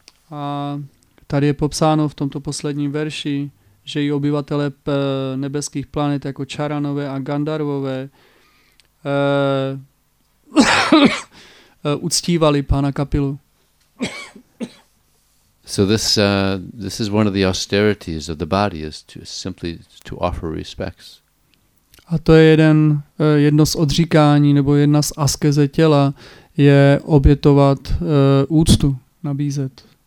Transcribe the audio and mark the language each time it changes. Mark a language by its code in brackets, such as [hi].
[cs] A tady je popsáno v tomto posledním verši, že i obyvatelé nebeských planet jako čaranové a gandharvové uctívali pána Kapilu. [en] So this is one of the austerities of the body, is to simply to offer respects. [cs] A to je jedno z odříkání nebo jedna z askeze těla je obětovat úctu, nabízet.